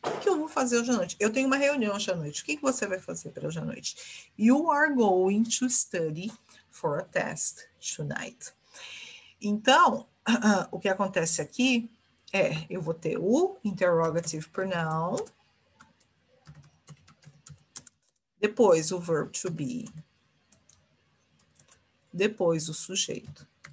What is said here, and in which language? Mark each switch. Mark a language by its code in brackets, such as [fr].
[pt] O que que eu vou fazer hoje à noite? Eu tenho uma reunião hoje à noite. O que que você vai fazer para hoje à noite? [en] You are going to study for a test tonight. [pt] Então, o que acontece aqui é, eu vou ter o interrogative pronoun. Depois, o verb to be. Depois, o sujeito.